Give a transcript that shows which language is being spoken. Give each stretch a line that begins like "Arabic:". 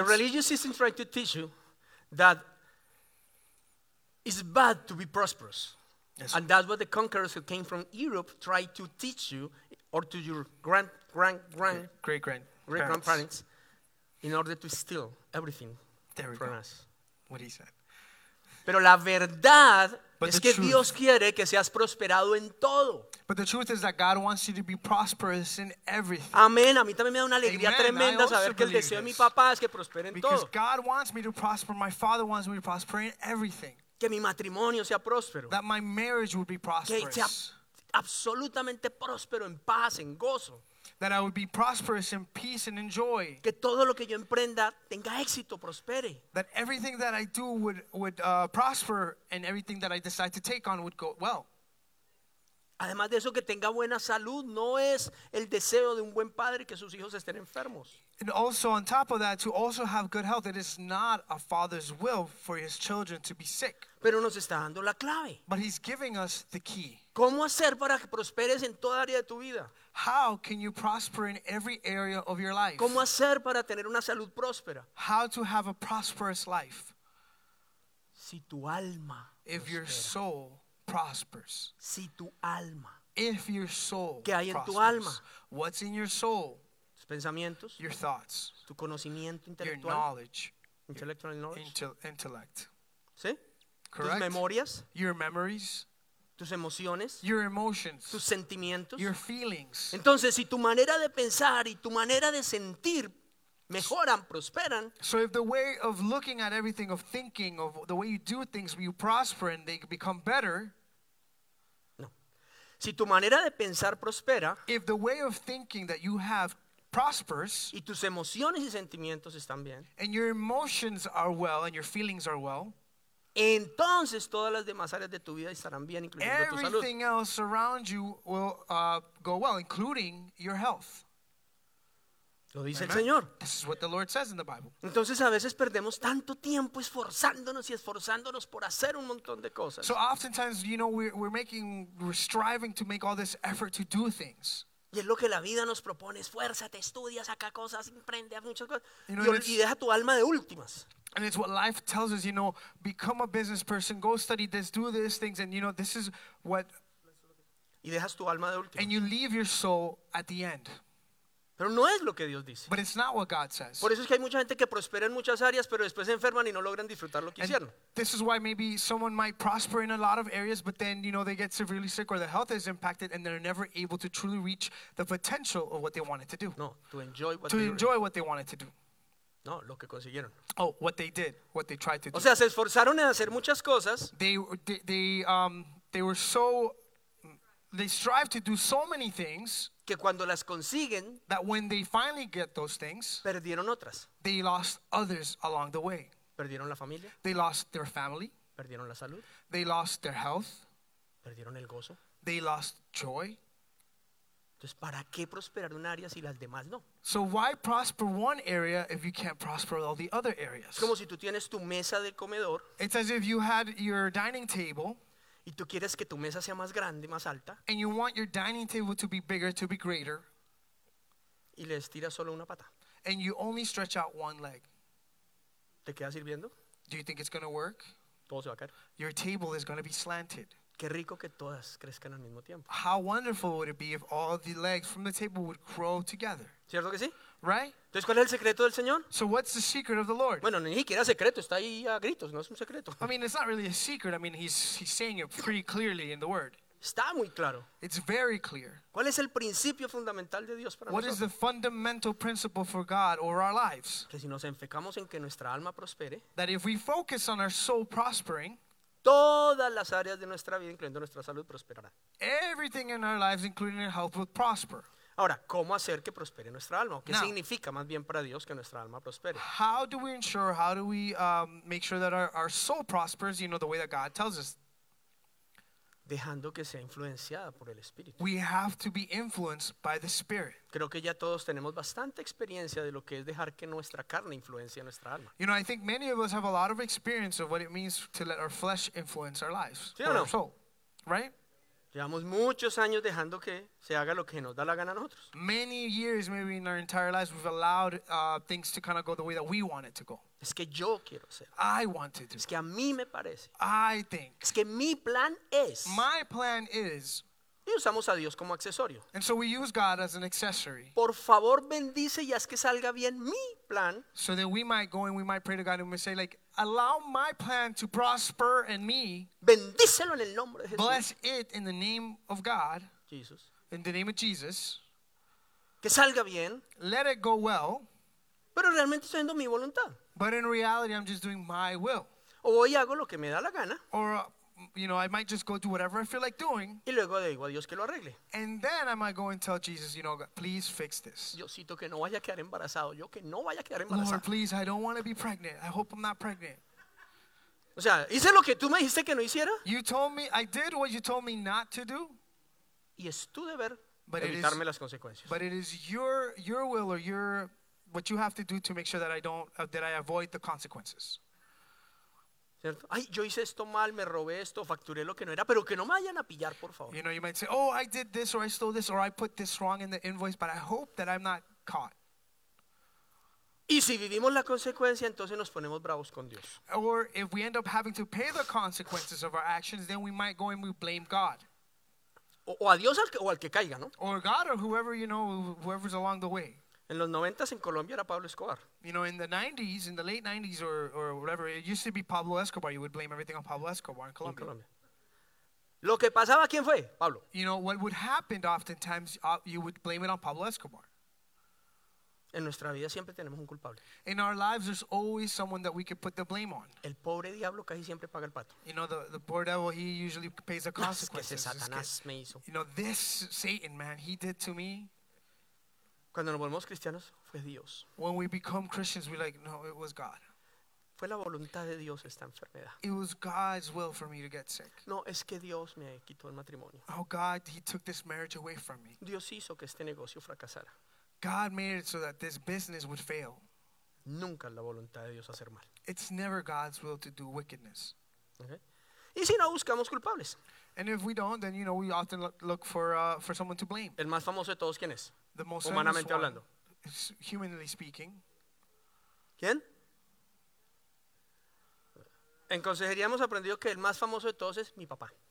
English: The religious system tried to teach you that it's bad to be prosperous. Yes. And that's what the conquerors who came from Europe tried to teach you, or to your great grandparents, in order to steal everything from us. What he said.
Spanish: Pero la verdad es que Dios quiere que seas prosperado en todo.
English: But the truth is that God wants you to be prosperous in everything. Amén.
Spanish: A mí también me da una alegría tremenda saber que el deseo de mi papá es que prospere en todo.
English: Because God wants me to prosper. My father wants me to prosper in everything.
Spanish: Que mi matrimonio sea próspero.
English: That my marriage would be prosperous.
Spanish: Que sea absolutamente próspero en paz, en gozo.
English: That I would be prosperous in peace and in joy.
Spanish: Que todo lo que yo emprenda tenga éxito, prospere.
English: That everything that I do would prosper, and everything that I decide to take on would go well.
Spanish: Además de eso, que tenga buena salud, no es el deseo de un buen padre que sus hijos estén enfermos.
English: And also on top of that, to also have good health, it is not a father's will for his children to be sick.
Spanish: Pero nos está dando la clave.
English: But he's giving us the key.
Spanish: ¿Cómo hacer para que prosperes en toda área de tu vida?
English: How can you prosper in every area of your life?
Spanish: ¿Cómo hacer para tener una salud próspera?
English: How to have a prosperous life?
Spanish: Si tu alma prospera.
English: If your soul prospers.
Spanish: Si tu alma.
English: If your soul
Spanish: ¿Qué hay
English: prospers.
Spanish: En tu alma?
English: What's in your soul?
Spanish: Tus pensamientos.
English: Your thoughts.
Spanish: Tu conocimiento intelectual.
English: Your knowledge. Intellectual knowledge. Intellect.
Spanish: ¿Sí?
English: Correct.
Spanish: Tus memorias.
English: Your memories.
Spanish: Tus emociones.
English: Your emotions.
Spanish: Tus sentimientos.
English: Your feelings.
Spanish: Entonces, si tu manera de pensar y tu manera de sentir mejoran, prosperan.
English: So if the way of looking at everything, of thinking, of the way you do things, you prosper and they become better.
Spanish: No. Si tu manera de pensar prospera.
English: If the way of thinking that you have prospers.
Spanish: Y tus emociones y sentimientos están bien.
English: And your emotions are well and your feelings are well.
Spanish: Entonces todas las demás áreas de tu vida estarán bien, incluyendo
English: everything
Spanish: tu salud.
English: Everything else around you will go well, including your health.
Spanish: Lo dice el Señor.
English: This is what the Lord says in the Bible.
Spanish: Entonces a veces perdemos tanto tiempo esforzándonos y esforzándonos por hacer un montón de cosas.
English: So oftentimes, you know, we're striving to make all this effort to do things.
Spanish: Y es lo que la vida nos propone: esfuérzate, estudia, saca cosas, emprende, haz muchas cosas. You know, y deja tu alma de últimas.
English: And it's what life tells us, you know, become a business person, go study this, do these things, and you know, this is what.
Spanish: Y dejas tu alma de últimas.
English: And you leave your soul at the end.
Spanish: Pero no es lo que Dios dice.
English: But it's not what God says.
Spanish: Por eso es que hay mucha gente que prospera en muchas áreas, pero después se enferman y no logran disfrutar lo que hicieron.
English: This is why maybe someone might prosper in a lot of areas, but then, you know, they get severely sick or their health is impacted and they're never able to truly reach the potential of what they wanted to do. No, to enjoy what, to they, enjoy what they wanted to do.
Spanish: No, lo que consiguieron.
English: Oh, what they did, what they tried to do.
Spanish: O sea, se esforzaron en hacer muchas cosas.
English: They were so, they strive to do so many things.
Spanish: Que cuando las consiguen,
English: that when they finally get those things,
Spanish: perdieron otras.
English: They lost others along the way.
Spanish: Perdieron la familia.
English: They lost their family.
Spanish: Perdieron la salud.
English: They lost their health.
Spanish: Perdieron el gozo.
English: They lost joy.
Spanish: Entonces, ¿para qué prosperar un área si las demás no?
English: So why prosper one area if you can't prosper all the other areas?
Spanish: Como si tú tienes tu mesa de comedor.
English: It's as if you had your dining table.
Spanish: Y tú quieres que tu mesa sea más grande, más alta.
English: And you want your dining table to be bigger, to be greater.
Spanish: Y le estiras solo una pata.
English: And you only stretch out one leg.
Spanish: ¿Te quedas sirviendo?
English: Do you think it's going to work?
Spanish: Todo se va a caer.
English: Your table is going to be slanted.
Spanish: Qué rico que todas crezcan al mismo tiempo.
English: How wonderful would it be if all the legs from the table would grow together?
Spanish: ¿Cierto que sí?
English: Right?
Spanish: Entonces, ¿cuál es el secreto del Señor?
English: So what's the secret of the Lord?
Spanish: Bueno, ni siquiera secreto, está ahí a gritos, no es un secreto.
English: I mean, it's not really a secret. I mean, he's saying it pretty clearly in the word.
Spanish: Está muy claro.
English: It's very clear.
Spanish: ¿Cuál es el principio fundamental de Dios para
English: What is the fundamental principle for God or our lives?
Spanish: Que si nos enfocamos en que nuestra alma prospere,
English: that if we focus on our soul prospering,
Spanish: todas las áreas de nuestra vida, incluyendo nuestra salud, prosperarán.
English: Everything in our lives, including our health, will prosper.
Spanish: Ahora, ¿cómo hacer que prospere nuestra alma? ¿Qué Now, significa más bien para Dios que nuestra alma prospere?
English: How do we ensure, how do we make sure that our soul prospers, you know, the way that God tells us?
Spanish: Dejando que sea influenciada por el Espíritu.
English: We have to be influenced by the Spirit.
Spanish: Creo que ya todos tenemos bastante experiencia de lo que es dejar que nuestra carne influencie nuestra alma.
English: You know, I think many of us have a lot of experience of what it means to let our flesh influence our lives.
Spanish: ¿Sí o no?
English: Our soul, right?
Spanish: Llevamos muchos años dejando que se haga lo que nos da la gana a nosotros.
English: Many years, maybe in our entire lives, we've allowed things to kind of go the way that we want it to go.
Spanish: Es que yo quiero ser.
English: I want to do.
Spanish: Es que a mí me parece.
English: I think.
Spanish: Es que mi plan es.
English: My plan is.
Spanish: Y usamos a Dios como accesorio.
English: And so we use God as an accessory.
Spanish: Por favor, bendice y haz que salga bien mi plan.
English: So that we might go and we might pray to God and we might say like, allow my plan to prosper and me.
Spanish: Bendícelo en el nombre de Jesús.
English: Bless it in the name of God. Jesus. In the name of Jesus. Que salga bien. Let it go well.
Spanish: Pero realmente estoy haciendo mi voluntad.
English: But in reality, I'm just doing my will.
Spanish: O hoy hago lo que me da la gana.
English: Or, you know, I might just go do whatever I feel like doing.
Spanish: Y luego digo a Dios que lo arregle.
English: And then I might go and tell Jesus, you know, please fix this.
Spanish: Diosito, que no vaya a quedar embarazado. Yo que no vaya a quedar embarazado.
English: Lord, please, I don't want to be pregnant. I hope I'm not pregnant.
Spanish: O sea, hice lo que tú me dijiste que no hiciera.
English: You told me, I did what you told me not to do.
Spanish: Y es tu deber evitarme las consecuencias.
English: But it is your will or your what you have to do to make sure that I don't that I avoid the consequences.
Spanish: ¿Cierto? Ay, yo hice esto mal, me robé esto, facturé lo que no era, pero que no me vayan a pillar, por favor.
English: You know, you might say, oh, I did this or I stole this or I put this wrong in the invoice, but I hope that I'm not caught.
Spanish: Y si vivimos la consecuencia, entonces nos ponemos bravos con Dios.
English: Or if we end up having to pay the consequences of our actions, then we might go and we blame God.
Spanish: O a Dios al que, o al que caiga, ¿no?
English: Or God or whoever, you know, whoever's along the way.
Spanish: En los 90s en Colombia era Pablo Escobar.
English: You know, in the 90s, in the late 90s or whatever, it used to be Pablo Escobar. You would blame everything on Pablo Escobar in Colombia.
Spanish: En Colombia. Lo que pasaba, ¿quién fue? Pablo.
English: You know, what would happen oftentimes, you would blame it on Pablo Escobar.
Spanish: En nuestra vida siempre tenemos un culpable.
English: In our lives, there's always someone that we could put the blame on.
Spanish: El pobre diablo casi siempre paga el pato.
English: You know, the poor devil, he usually pays the consequences.
Spanish: Que ese Satanás me hizo.
English: You know, this Satan, man, he did to me.
Spanish: Cuando nos volvemos cristianos, fue Dios.
English: When we become Christians, we're like, no, it was God.
Spanish: Fue la voluntad de Dios esta enfermedad.
English: It was God's will for me to get sick.
Spanish: No, es que Dios me quitó el matrimonio.
English: Oh, God, he took this marriage away from me.
Spanish: Dios hizo que este negocio fracasara.
English: God made it so that this business would fail.
Spanish: Nunca la voluntad de Dios hacer mal.
English: It's never God's will to do wickedness.
Spanish: Okay. Y si no, buscamos culpables.
English: And if we don't, then, you know, we often look for someone to blame.
Spanish: El más famoso de todos, ¿quién es?
English: The most humanamente hablando. Humanly speaking.
Spanish: ¿Quién? En consejería hemos aprendido que el más famoso de todos es mi papá.